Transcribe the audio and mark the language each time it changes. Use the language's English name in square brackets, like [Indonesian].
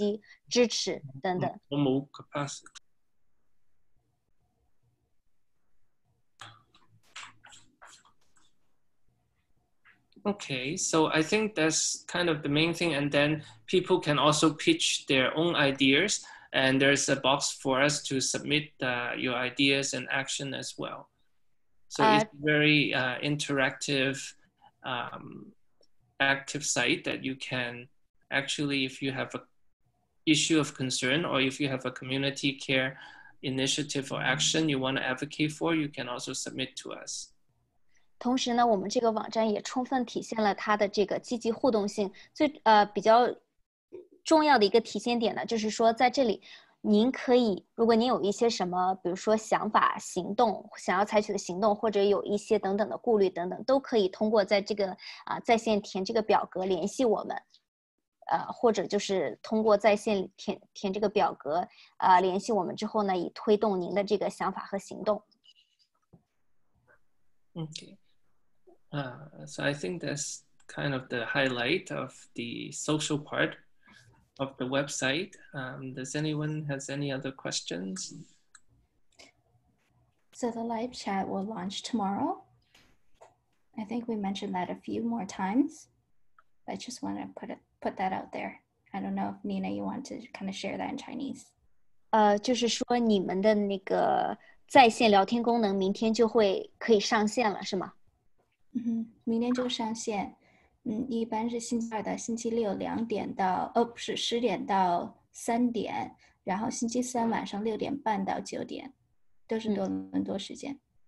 [Chinese] 这个页面呢，就是通过点击这个链接出现的这个页面，就是囊括了我们本地多伦多本地的一些社区行动。那么大家就可以通过搜索这个页面，就是看一下最近有什么行动，比如说大家可以点击支持等等。我没 [English] capacity。Okay, so I think that's kind of the main thing, and then people can also pitch their own ideas, and there's a box for us to submit your ideas and action as well. So it's a very interactive, active site that you can actually, if you have an issue of concern or if you have a community care initiative or action you want to advocate for, you can also submit to us. [Chinese] 同时呢，我们这个网站也充分体现了它的这个积极互动性。最比较重要的一个体现点呢，就是说在这里，您可以，如果您有一些什么，比如说想法、行动，想要采取的行动，或者有一些等等的顾虑等等，都可以通过在这个在线填这个表格联系我们。或者就是通过在线 填这个表格、联系我们之后呢，以推动您的这个想法和行动。 [English] Okay. So I think that's kind of the highlight of the social part of the website. Does anyone has any other questions? So the live chat will launch tomorrow. I think we mentioned that a few more times. I just want to put that out there. I don't know if Nina, you want to kind of share that in Chinese. [Chinese] 就是说你们的那个在线聊天功能明天就会可以上线了，是吗？明天就上线。一般是星期二的星期六两点到，不是十点到三点，然后星期三晚上六点半到九点，都是多伦多时间。